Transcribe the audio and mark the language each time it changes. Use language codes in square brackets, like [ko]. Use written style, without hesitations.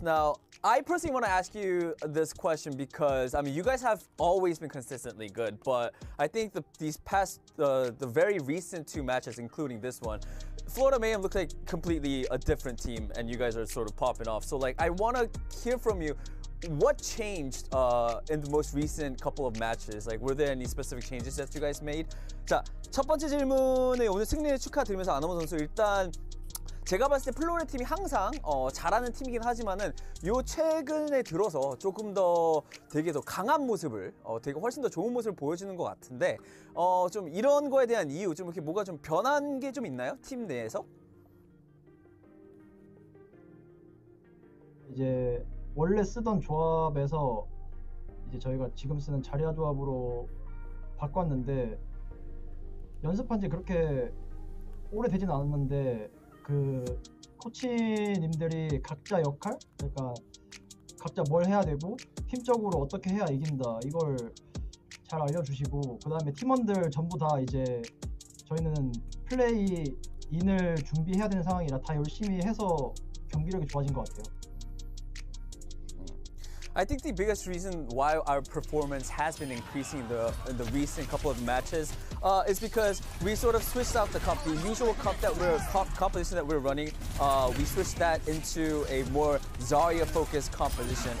[en] Now, I personally want to ask you this question because, I mean, you guys have always been consistently good, but I think the very recent two matches, including this one, Florida Mayhem looked like completely a different team, and you guys are sort of popping off. So, like, I want to hear from you. What changed in the most recent couple of matches? Like, were there any specific changes that you guys made? [ko] 자, 첫 번째 질문에 오늘 승리를 축하드리면서 아노모 선수 일단 제가 봤을 때 플로리 팀이 항상 잘하는 팀이긴 하지만은 요 최근에 들어서 조금 더 되게 더 강한 모습을 되게 훨씬 더 좋은 모습을 보여주는 것 같은데 좀 이런 거에 대한 이유 좀 이렇게 뭐가 좀 변한 게 좀 있나요? 팀 내에서? 이제 원래 쓰던 조합에서 이제 저희가 지금 쓰는 자리아 조합으로 바꿨는데 연습한 지 그렇게 오래 되진 않았는데 그 코치님들이 각자 역할? 그러니까 각자 뭘 해야 되고 팀적으로 어떻게 해야 이긴다 이걸 잘 알려주시고 그 다음에 팀원들 전부 다 이제 저희는 플레이 인을 준비해야 되는 상황이라 다 열심히 해서 경기력이 좋아진 것 같아요. [en] I think the biggest reason why our performance has been increasing in the recent couple of matches is because we sort of switched out the cup. The usual cup that we're competition that we're running, we switched that into a more Zarya-focused competition.